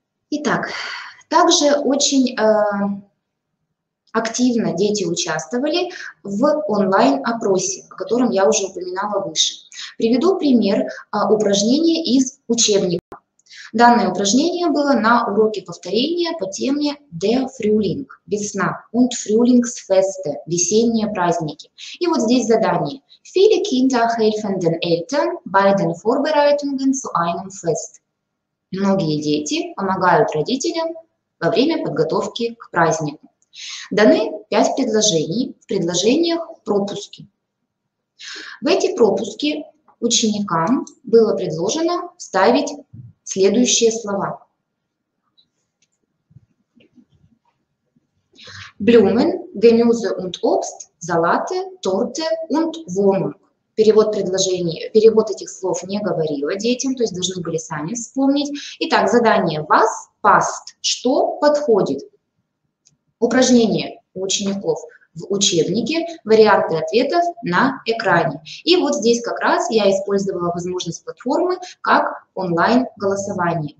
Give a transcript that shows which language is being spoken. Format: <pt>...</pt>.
<ru>Итак, также очень активно дети участвовали в онлайн-опросе, о котором я уже упоминала выше. Приведу пример упражнения из учебника. Данное упражнение было на уроке повторения по теме «Der Frühling» – «Весна» und «Frühlingsfeste» – «Весенние праздники». И вот здесь задание.</ru> <de>«Viele Kinder helfen den Eltern bei den Vorbereitungen zu einem Fest».</de> <ru>Многие дети помогают родителям во время подготовки к празднику. Даны 5 предложений в предложениях пропуски. В эти пропуски ученикам было предложено вставить следующие слова.</ru> <de>Blumen, Gemüse und Obst, Salate, Torte und Wohnung.</de> <ru>Перевод предложений, перевод этих слов не говорила детям, то есть должны были сами вспомнить. Итак, задание</ru> <de>«Was passt?»</de> <ru>– «Что подходит?» Упражнение у учеников в учебнике, варианты ответов на экране. И вот здесь как раз я использовала возможность платформы как онлайн-голосование.</ru>